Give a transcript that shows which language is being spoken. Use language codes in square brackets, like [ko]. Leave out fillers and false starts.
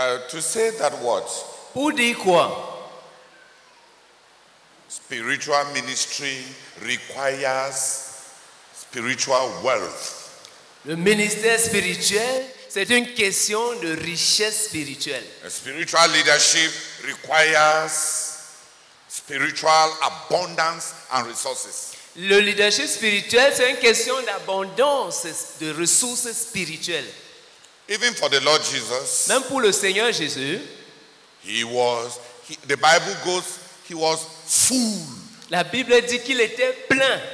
[en] To say that what? [fr] Pour dire quoi? [en] Spiritual ministry requires spiritual wealth. [fr] Le ministère spirituel, c'est une question de richesse spirituelle. [en] A spiritual leadership requires spiritual abundance and resources. [fr] Le leadership spirituel, c'est une question d'abondance de ressources spirituelles. [en] Even for the Lord Jesus, [fr] même pour le Seigneur Jésus, [en] the Bible goes, he was full. [fr] La Bible dit qu'il était plein.